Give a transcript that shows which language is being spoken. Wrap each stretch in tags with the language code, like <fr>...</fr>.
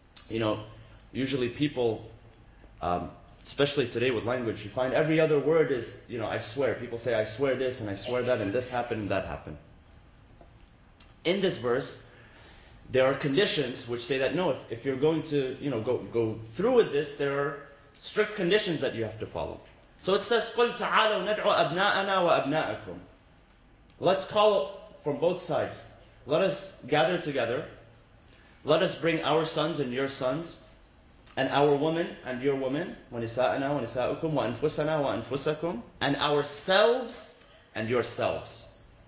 <en>You know, usually people, especially today with language, you find every other word is, you know, I swear. People say, I swear this and I swear that and this happened and that happened. In this verse, there are conditions which say that no, if you're going to, you know, go through with this, there are strict conditions that you have to follow. So it says,</en> <ar>قُلْ تَعَالَوْ نَدْعُ أَبْنَاءَنَا وَأَبْنَاءَكُمْ.</ar> <en>Let's call from both sides. Let us gather together. Let us bring our sons and your sons, and our women and your women,</en> <ar>وَنِسَاءَنَا وَنِسَاءُكُمْ وَأَنفُسَنَا وَأَنفُسَكُمْ,</ar> <en>and ourselves and yourselves.</en>